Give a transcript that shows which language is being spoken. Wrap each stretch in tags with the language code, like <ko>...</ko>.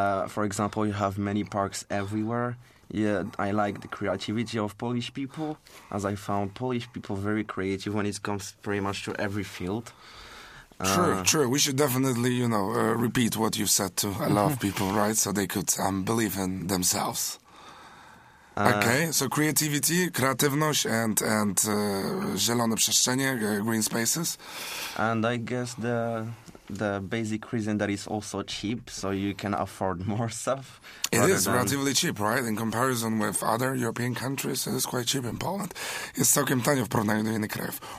<en>For example, you have many parks everywhere. Yeah, I like the creativity of Polish people, as I found Polish people very creative when it comes pretty much to every field. True. We should definitely, repeat what you've said to a lot of people, right? So they could believe in themselves. Okay, so creativity, kreatywność and zielone przestrzenie, green spaces. And I guess the basic reason that it's also cheap, so you can afford more stuff. It is relatively cheap, right? In comparison with other European countries, it is quite cheap in Poland.</en> <pl>Jest całkiem tanio w porównaniu do innych krajów.</pl>